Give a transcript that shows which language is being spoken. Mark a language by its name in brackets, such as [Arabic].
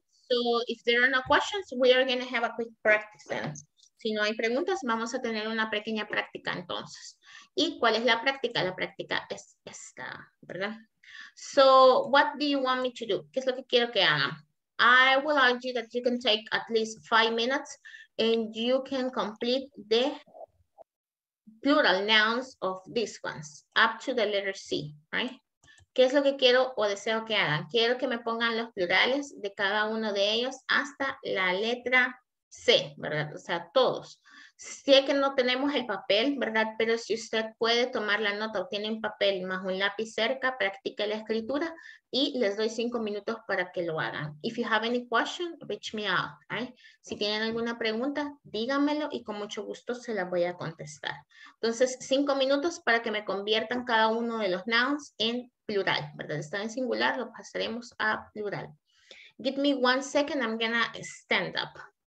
[English] So, if there are no questions, we are going to have a quick practice then. [Spanish] Si no hay preguntas, vamos a tener una pequeña práctica entonces. ¿Y cuál es la práctica? La práctica es esta, ¿verdad? [English] So, what do you want me to do? [Spanish] ¿Qué es lo que quiero que haga? [English] I will ask you that you can take at least 5 minutes and you can complete the plural nouns of these ones up to the letter C, right? [Spanish] ¿Qué es lo que quiero o deseo que hagan? Quiero que me pongan los plurales de cada uno de ellos hasta la letra C, ¿verdad? O sea, todos. Sé que no tenemos el papel, ¿verdad? Pero si usted puede tomar la nota o tiene un papel más un lápiz cerca, practique la escritura y les doy 5 minutos para que lo hagan. [English] If you have any question, reach me out, right? [Spanish] Si tienen alguna pregunta, díganmelo y con mucho gusto se la voy a contestar. Entonces, 5 minutos para que me conviertan cada uno de los nouns en plural, ¿verdad? Está en singular, lo pasaremos a plural. [English] Give me 1 second, I'm gonna stand up.